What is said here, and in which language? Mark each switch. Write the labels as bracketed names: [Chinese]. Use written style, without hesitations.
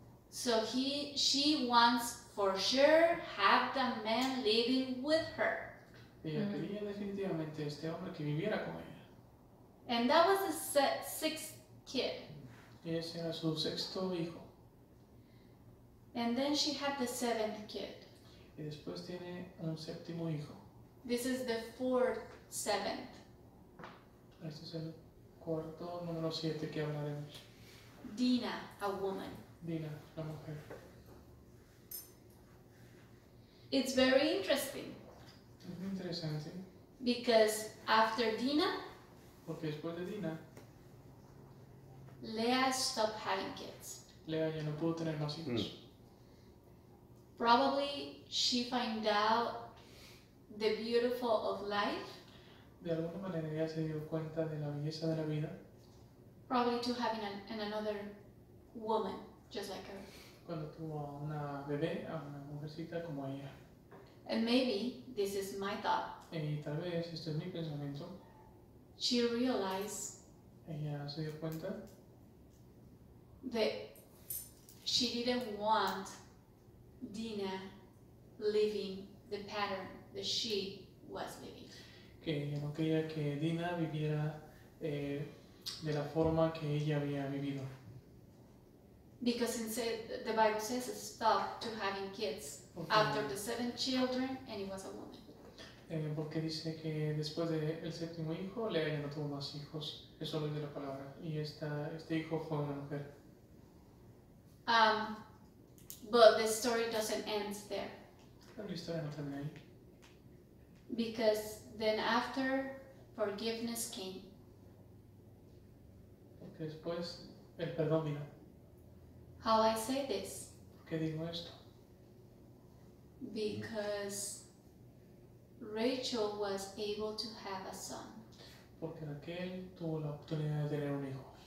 [English] So she wants for sure have the man living with her. [Spanish] Ella quería definitivamente este hombre que viviera con ella. [English] And that was his sixth kid. [Spanish] Y ese era su sexto hijo. [English] And then she had the seventh kid. [Spanish] Y después tiene un séptimo hijo. [English] This is the fourth seventh. [Spanish] Este es el cuarto número siete que hablaremos. [English] Dina, a woman. [Spanish] Dina, la mujer. [English] It's very interesting. [Spanish] Es muy interesante. [English] Because after Dina, [Spanish] porque después de Dina, [English] Leah stopped having kids. [Spanish] Leah ya no pudo tener más hijos. [English] Probably she find out the beautiful of life. [Spanish] De alguna manera ella se dio cuenta de la belleza de la vida. [English] Probably to having another woman. Just like her. [Spanish] Cuando tuvo a una bebé, a una mujercita como ella. [English] And maybe this is my thought. [Spanish] Y tal vez esto es mi pensamiento. [English] She realized. [Spanish] Ella se dio cuenta. [English] That she didn't want Dina living the pattern that she was living. [Spanish] Que ella no quería que Dina viviera de la forma que ella había vivido. [English] Because instead, the Bible says it stopped to having kids okay. After the seven children, and it was a woman. [Spanish] Porque dice que después de el séptimo hijo, Lea ya no tuvo más hijos. Eso es de la palabra. Y este hijo fue una mujer. [English] But the story doesn't end there. [Spanish] Pero la historia no termina ahí. [English] Because then after forgiveness came. [Spanish] Porque después el perdón vino. [English] How I say this? [Spanish] ¿Por qué digo esto? [English] Because Rachel was able to have a son. [Spanish] Porque Raquel tuvo la oportunidad de tener un hijo.